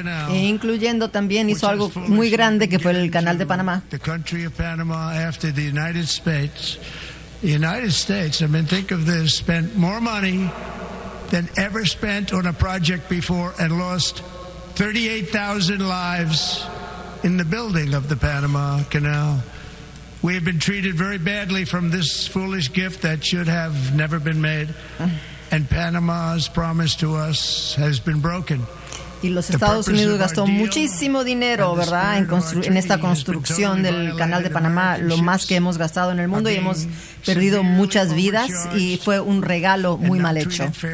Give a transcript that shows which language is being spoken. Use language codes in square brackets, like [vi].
[es] E incluyendo también hizo algo muy grande que fue el Canal de Panamá. [en] The country of Panama after the United States. The United States, I mean, think of this, spent more money than ever spent on a project before and lost 38,000 lives in the building of the Panama Canal. We have been treated very badly from this foolish gift that should have never been made. And Panama's promise to us has been broken. [es] Y los Estados Unidos gastó muchísimo dinero, ¿verdad?, en esta construcción del Canal de Panamá, lo más que hemos gastado en el mundo, y hemos perdido muchas vidas, y fue un regalo muy mal hecho.